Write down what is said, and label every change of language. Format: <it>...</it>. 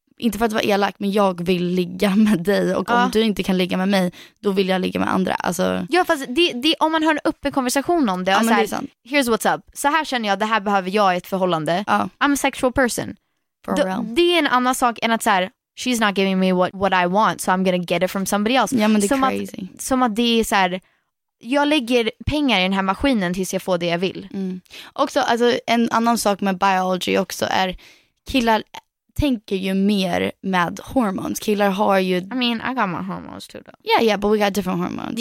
<sv>Inte för att vara elak, men jag vill ligga med dig. Och om du inte kan ligga med mig, då vill jag ligga med andra. Alltså... Ja, fast det, om man hör en öppen konversation om det. Det är sant.</sv> <en>Here's what's up.</en> <sv>Så här känner jag, det här behöver jag i ett förhållande.</sv> <en>I'm a sexual person. For real.</en> <sv>Det är en annan sak än att så här...</sv> <en>she's not giving me what I want, so I'm gonna get it from somebody else.</en> <sv>Ja, men det är crazy. Som att det är så här, jag lägger pengar i den här maskinen tills jag får det jag vill. Mm. Också, alltså, en annan sak med biology också är killar tänker ju mer med hormones. Killar har ju...</sv> <en>I mean, I got my hormones too though. Yeah, yeah, but we got different hormones.</en>